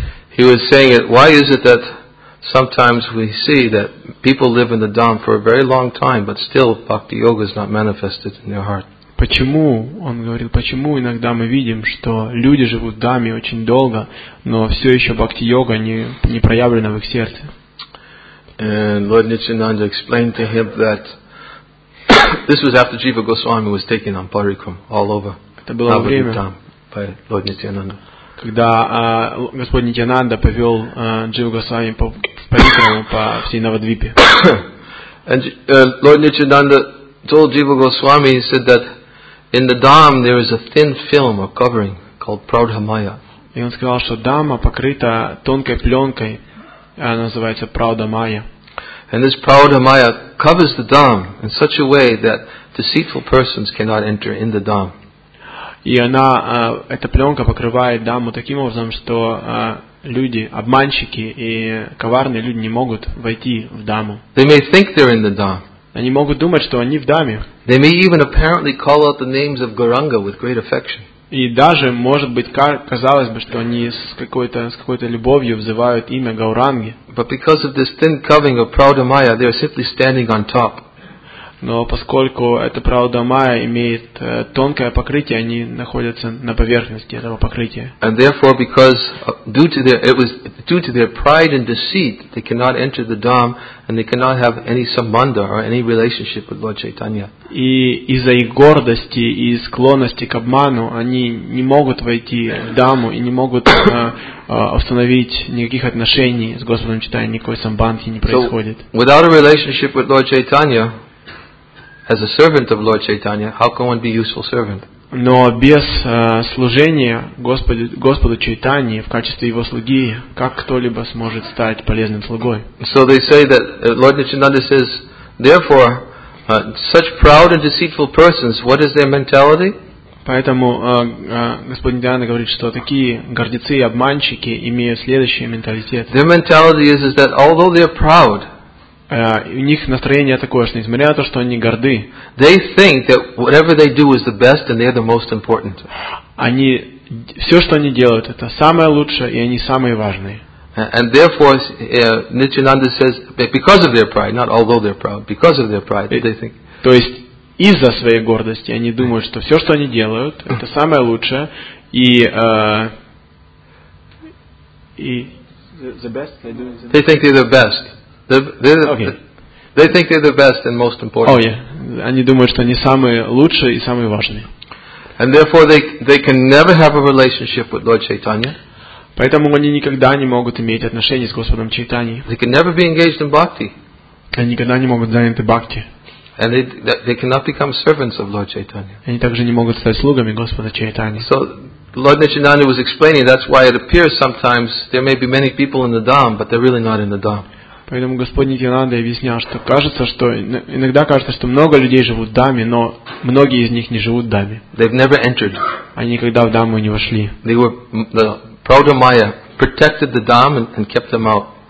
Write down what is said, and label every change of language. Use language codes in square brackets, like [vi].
[en] He was saying it, why is it that sometimes we see that people live in the Dham for a very long time, but still Bhakti Yoga is not manifested in their heart. [ru] Почему, он говорил, почему иногда мы видим, что люди живут в Даме очень долго, но все еще Бхакти Йога не проявлена в их сердце. [en] And Lord Nityananda explained to him that this was after Jiva Goswami was taken on parikram all over. [ru] Это было время, [en] by Lord Nityananda. [ru] Когда Господь Нитьянанда повел Джива Госвами по парикраму по всей Навадвипе. [en] And Lord Nityananda told Jiva Goswami, he said that in the Dham there is a thin film or covering called Praudhamaya. [ru] И он сказал, что Дама покрыта тонкой пленкой, она называется Праудамая. [en] And this Praudhamaya covers the Dham in such a way that deceitful persons cannot enter in the Dham. [ru] И она, эта пленка покрывает Даму таким образом, что люди, обманщики и коварные люди не могут войти в Даму. [en] They may think they're in the Dham. [ru] Они могут думать, что они в Даме. [en] They may even apparently call out the names of Gauranga with great affection. [ru] И даже, может быть, казалось бы, что они с какой-то любовью взывают имя Гауранги. [en] But because of this thin covering of Praudhamaya, they are simply standing on top. [ru] Но поскольку эта Праудамая имеет тонкое покрытие, они находятся на поверхности этого покрытия. [en] And therefore, because due to their pride and deceit, they cannot enter the Dham and they cannot have any sambandha or any relationship with Lord Chaitanya. [ru] И из-за их гордости и склонности к обману они не могут войти в Даму и не могут установить никаких отношений с Господом Чайтаньей, никакой самбанхи не происходит. [en] So, without a relationship with Lord Chaitanya, as a servant of Lord Chaitanya, how can one be a useful servant? [ru] Но без служения Господу Чайтаньи в качестве его слуги, как кто-либо сможет стать полезным слугой? [en] So they say that Lord Nityananda says, therefore, such proud and deceitful persons, what is their mentality? [ru] Поэтому Господь Нитьянанда говорит, что такие гордецы и обманщики имеют следующий менталитет. [en] Their mentality is that although they are proud, [ru] у них настроение такое, что несмотря на то, что они горды, [en] they think that whatever they do is the best and they are the most important. [ru] Они все, что они делают, это самое лучшее, и они самые важные. [en] And therefore, Nityananda says, because of their pride, not although they're proud, because of their pride, they think. [ru] То есть из-за своей гордости они думают, что все, что они делают, это самое лучшее, и [en] the best they do. They think they're the best. They think they're the best and most important. Oh yeah, [ru] они думают, что они самые лучшие и самые важные. [en] And therefore, they can never have a relationship with Lord Chaitanya. [ru] Поэтому они никогда не могут иметь отношения с Господом Чайтани. [en] They can never be engaged in bhakti. [ru] Они никогда не могут заняты бхакти. [en] And they cannot become servants of Lord Chaitanya. [ru] Они также не могут стать слугами Господа Чайтани. [en] So Lord Nityananda was explaining that's why it appears sometimes there may be many people in the dham, but they're really not in the dham. [ru] Поэтому Господь Нитьянанда объяснял, что кажется, что иногда кажется, что много людей живут в даме, но многие из них не живут в даме. [en] They've never entered. [ru] Они никогда в даму не вошли. [en] They were Praudamaya protected the dham and kept them out.